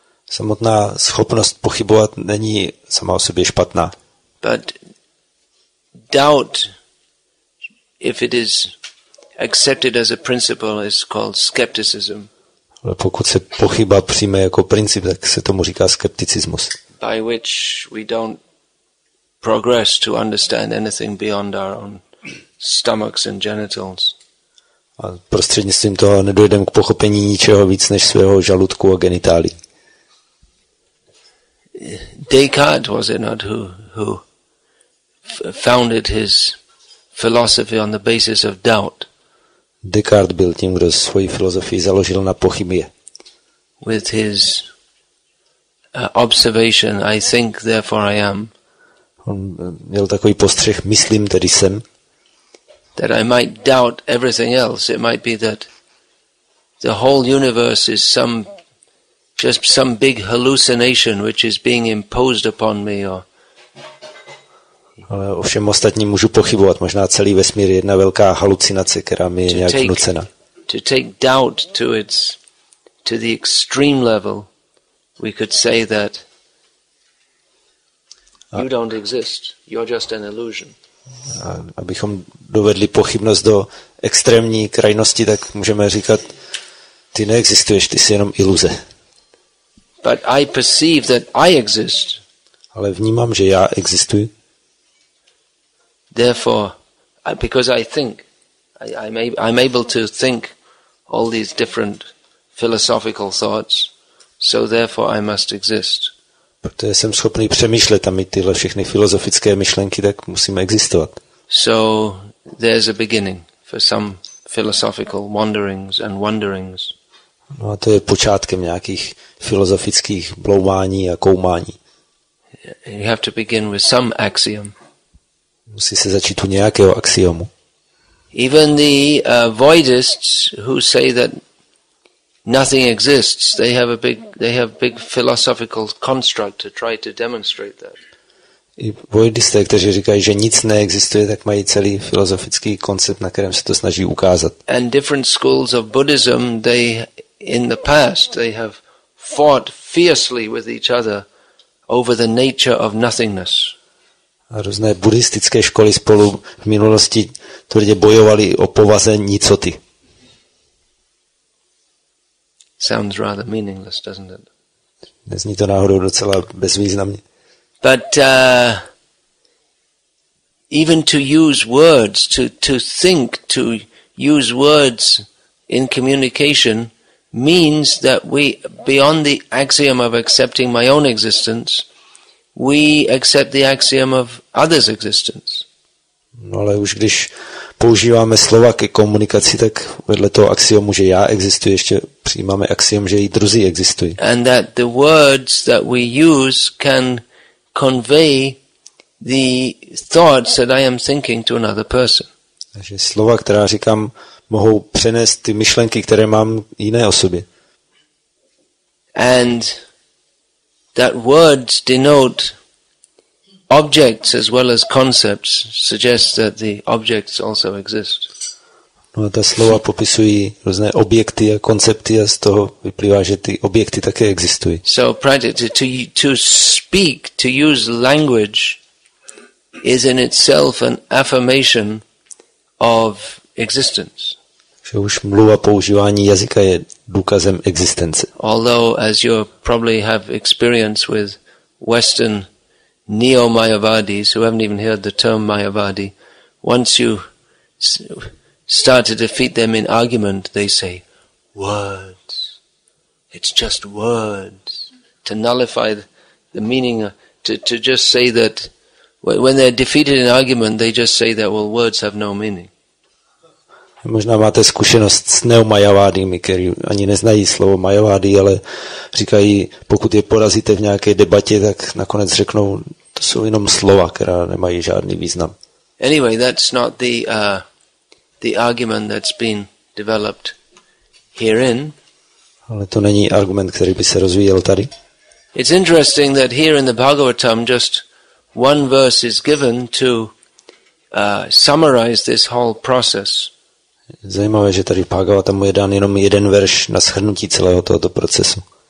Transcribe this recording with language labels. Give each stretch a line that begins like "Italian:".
Czech: Samotná schopnost pochybovat není sama o sobě špatná.
English: But doubt, if it is accepted as a principle, is called skepticism.
Czech: Ale pokud se pochyba přijme jako princip, tak se tomu říká skepticismus.
English: By which we don't progress to understand anything beyond our own stomachs and genitals.
Czech: A prostřednictvím toho nedojdem k pochopení ničeho víc než svého žaludku a genitálií.
English: Descartes, was it not, who founded his philosophy on the basis of doubt?
Czech: Descartes byl tím, kdo svoji filozofii založil na pochybě.
English: With his observation, I think, therefore I am.
Czech: On měl takový postřeh, myslím, tedy jsem.
English: That I might doubt everything else. It might be that the whole universe is just some big hallucination which is being imposed upon me.
Czech: Ale ovšem ostatní můžu pochybovat. Možná celý vesmír je jedna velká halucinace, která mi je nějak vnucena.
English: To take doubt to the extreme level, we could say that you don't exist. You're just an illusion.
Czech: Abychom dovedli pochybnost do extrémní krajnosti, tak můžeme říkat, ty neexistuješ, ty jsi jenom iluze.
English: But I perceive that I exist.
Czech: Ale vnímám, že já existuji.
English: Therefore, because I think, I'm able to think all these different philosophical thoughts, so therefore I must exist.
Czech: Protože jsem schopný přemýšlet a mít tyhle všechny filozofické myšlenky, tak musím existovat.
English: So there's a beginning for some philosophical wanderings and wonderings.
Czech: No a to je počátkem nějakých filozofických bloumání a koumání.
English: You have to begin with some axiom.
Czech: Musí se začít u nějakého axiomu.
English: Even the voidists who say that nothing exists, they have big philosophical construct to try to demonstrate that.
Czech: I voidisté, kteří říkají, že nic neexistuje, tak mají celý filozofický koncept, na kterém se to snaží ukázat.
English: And different schools of Buddhism, they in the past they have fought fiercely with each other over the nature of nothingness.
Czech: A různé buddhistické školy spolu v minulosti tvrdě bojovali o povaze nicoty.
English: Sounds rather meaningless, doesn't it?
Czech: Nezní to náhodou docela bezvýznamně.
English: But even to use words, to think, to use words in communication means that we, beyond the axiom of accepting my own existence, we accept the axiom of others' existence.
Czech: No, ale už když používáme slova ke komunikaci, tak vedle toho axiomu, že já existuji, ještě přijímáme axiom, že i druzí existují.
English: And that the words that we use can convey the thoughts that I am thinking to another person.
Czech: Takže slova, která říkám, mohou přenést ty myšlenky, které mám jiné osobě.
English: And that words denote objects as well as concepts suggests that the objects also exist.
Czech: No a ta slova popisují různé objekty a koncepty a z toho vyplývá, že ty objekty také existují.
English: So practically to speak, to use language is in itself an affirmation of existence.
Czech: Že už mluva, používání jazyka je důkazem existence.
English: Although as you probably have experience with Western neo-Mayavadis who haven't even heard the term Mayavadi, once you start to defeat them in argument, they say words. It's just words to nullify the meaning. To just say that when they're defeated in argument, they just say that well, words have no meaning.
Czech: Možná máte zkušenost s neomajavádými, kteří ani neznají slovo majavády, ale říkají, pokud je porazíte v nějaké debatě, tak nakonec řeknou, To jsou jenom slova, která nemají žádný význam.
English: Anyway, that's not the the argument that's been developed herein.
Czech: Ale to není argument, který by se rozvíjel tady.
English: It's interesting that here in the Bhagavatam just one verse is given to summarize this whole process.
Czech: Zajímavé, že tady v Bhagavatamu je dán jenom jeden verš na shrnutí celého tohoto procesu.